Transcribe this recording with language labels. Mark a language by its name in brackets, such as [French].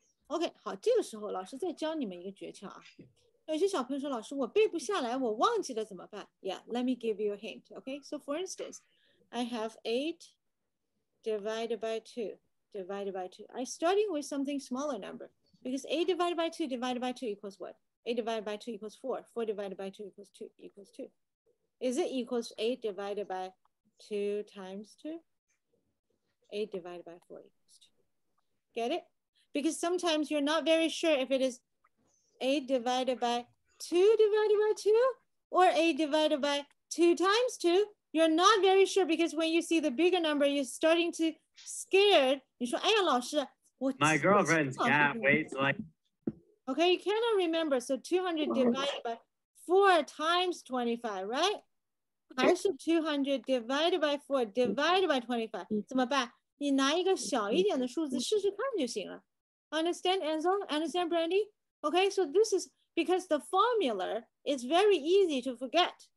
[Chinese] Okay, 好，这个时候老师再教你们一个诀窍啊。有些小朋友说，老师，我背不下来，我忘记了怎么办？ [English] Yeah, let me give you a hint, okay? So for instance, I have 8 divided by 2, divided by 2. I'm starting with something smaller number, because 8 divided by 2 equals what? 8 divided by 2 equals 4, 4 divided by 2 equals 2, equals 2. Is it equals 8 divided by 2 times 2? 8 divided by 4 equals 2. Get it? Because sometimes you're not very sure if it is 8 divided by 2 divided by 2, or 8 divided by 2 times 2, you're not very sure because when you see the bigger number, you're starting to scared. You say, [Chinese] 哎呀,老师, my girlfriend's cat waits like. [English] Okay, you cannot remember. So 200 divided by 4 times 25, right? Okay. [Chinese] 还是 [English] 200 divided by 4 divided by 25. [Chinese] 怎么办? 你拿一个小一点的数字试试看就行了. [English] Understand, Enzo? Understand, Brandy? Okay, so this is because the formula is very easy to forget.